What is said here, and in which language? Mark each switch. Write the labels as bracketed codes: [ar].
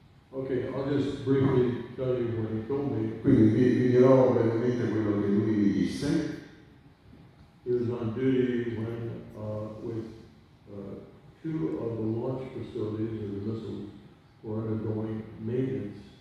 [en] Okay, I'll just briefly tell you what he told me. [it] Quindi vi dirò brevemente quello che lui mi disse. [en] He was on duty when with two of the launch facilities of the missiles were undergoing maintenance.